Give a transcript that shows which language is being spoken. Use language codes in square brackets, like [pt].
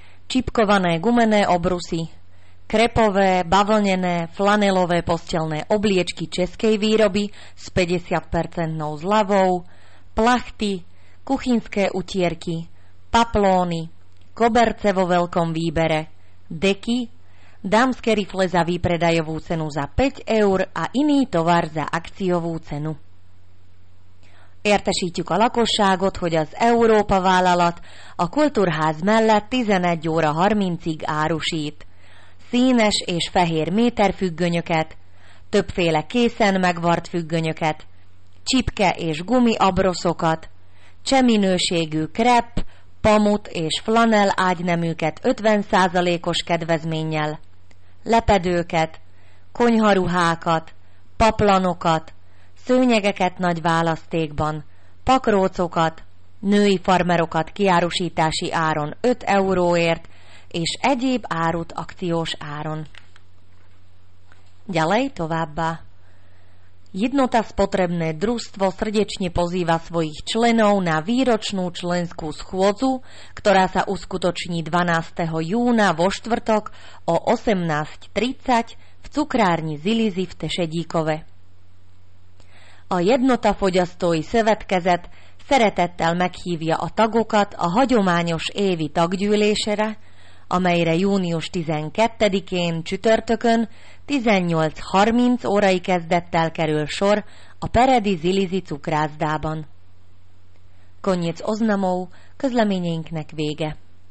[sk] čipkované gumené obrusy, krepové, bavlnené, flanelové postelné obliečky českej výroby s 50% zľavou, plachty, kuchynské utierky, paplóny, koberce vo veľkom výbere, deky, dámske rifle za výpredajovú cenu za 5 eur a iný tovar za akciovú cenu. [hu] Értesítjük a lakosságot, hogy az Európa vállalat a Kultúrház mellett 11 óra 30-ig árusít színes és fehér méterfüggönyöket, többféle készen megvart függönyöket, csipke és gumi abroszokat, cseh minőségű krep, pamut és flanel ágyneműket 50%-os kedvezménnyel, lepedőket, konyharuhákat, paplanokat, szőnyegeket nagy választékban, pakrócokat, női farmerokat kiárusítási áron 5 euróért és egyéb árut akciós áron. [sk] Ďalej [hu] továbbá. [sk] Jednota spotrebné družstvo srdečne pozýva svojich členov na výročnú členskú schôdzu, ktorá sa uskutoční 12. júna vo štvrtok o 18.30 v cukrárni Zilizi v Tešedíkove. [hu] A jednota fogyasztói szövetkezet szeretettel meghívja a tagokat a hagyományos évi taggyűlésre, amelyre június 12-én csütörtökön 18.30 órai kezdettel kerül sor a Peredi Zilizi cukrászdában. [sk] Konnyec oznamov, [hu] közleményeinknek vége.